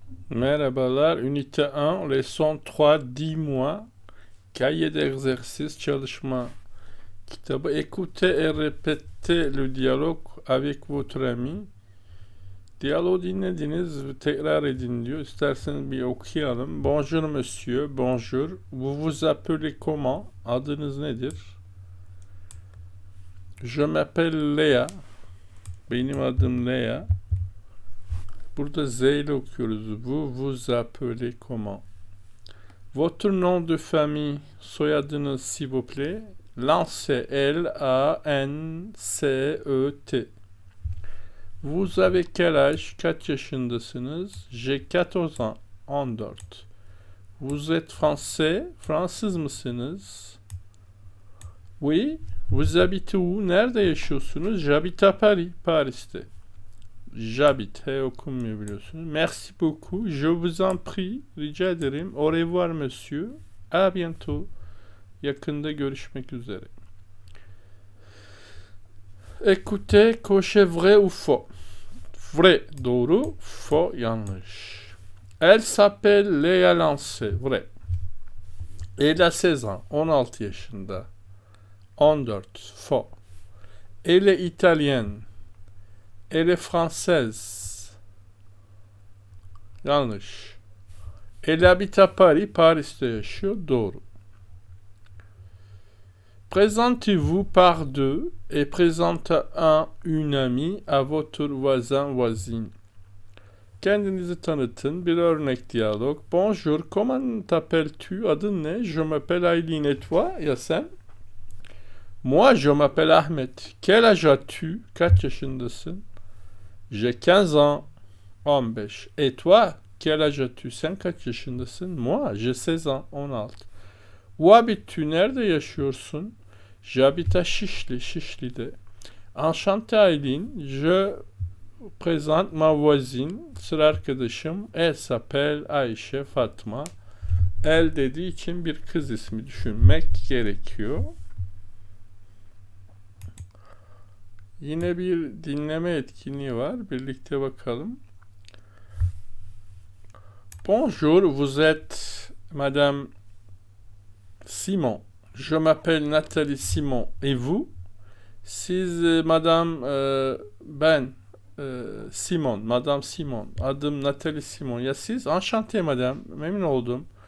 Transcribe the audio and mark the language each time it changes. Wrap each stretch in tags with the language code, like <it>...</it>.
<tr>Merhaba,</tr> <fr>unité 1, leçon 3, 10 mois. Cahier d'exercice,</fr> <tr>çalışma. Kitabı</tr> <fr>écoutez et répétez le dialogue avec votre ami.</fr> <tr>Diyaloğu dinlediniz, tekrar edin diyor. İsterseniz bir okuyalım.</tr> <fr>Bonjour monsieur, bonjour. Vous vous appelez comment?</fr> <tr>Adınız nedir?</tr> <fr>Je m'appelle Léa.</fr> <tr>Benim adım Léa. Burada Z ile okuyoruz.</tr> <fr>Vous vous appelez comment? Votre nom de famille,</fr> <tr>soyadınız</tr> <fr>s'il vous plaît. Lancet, L-A-N-C-E-T. Vous avez quel âge?</fr> <tr>Kaç yaşındasınız?</tr> <fr>J'ai 14 ans. 14. Vous êtes français?</fr> <tr>Fransız mısınız?</tr> <fr>Oui. Vous habitez où?</fr> <tr>Nerede yaşıyorsunuz?</tr> <fr>J'habite à Paris. Paris'te. J'habite.</fr> <tr>Hey, okumuyor biliyorsunuz.</tr> <fr>Merci beaucoup. Je vous en prie.</fr> <tr>Rica ederim.</tr> <fr>Au revoir, monsieur. À bientôt.</fr> <tr>Yakında görüşmek üzere.</tr> <fr>Écoutez, cochez vrai ou faux. Vrai,</fr> <tr>doğru,</tr> <fr>faux,</fr> <tr>yanlış.</tr> <fr>Elle s'appelle Léa Lancet, vrai. Elle a 16 ans,</fr> <tr>16 yaşında.</tr> <fr>14, faux. Elle est italienne. Elle est française.</fr> <tr>Yanlış.</tr> <fr>Elle habite à Paris,</fr> <tr>Paris'te yaşıyor, doğru.</tr> <fr>Présentez-vous par deux et présente un une amie à votre voisin voisine.</fr> <tr>Kendinizi tanıtın. Bir örnek diyalog.</tr> <fr>Bonjour, comment t'appelles-tu?</fr> <tr>Adın ne?</tr> <fr>Je m'appelle Aileen. Et toi, Yasem? Moi, je m'appelle Ahmet. Quel âge as-tu?</fr> <tr>Kaç yaşındasın?</tr> <fr>J'ai 15 ans. 15. Et toi, quel âge as-tu?</fr> <tr>Sen kaç yaşındasın?</tr> <fr>Moi, j'ai 16 ans. 16. Où habites-tu?</fr> <tr>Nerede yaşıyorsun?</tr> <fr>J'habite à Şişli, Şişli'de. Enchanté Aileen, je présente ma voisine,</fr> <tr>sıra arkadaşım.</tr> <fr>Elle s'appelle Ayşe Fatma.</fr> <tr>Elle dediği için bir kız ismi düşünmek gerekiyor. Yine bir dinleme etkinliği var. Birlikte bakalım.</tr> <fr>Bonjour, vous êtes Madame Simon. Je m'appelle Nathalie Simon. Et vous?</fr> <tr>Siz Madame ben Simon.</tr> <fr>Madame Simon.</fr> <tr>Adım Nathalie Simon. Ya siz?</tr> <fr>Enchanté, Madame.</fr> <tr>Memnun oldum.</tr>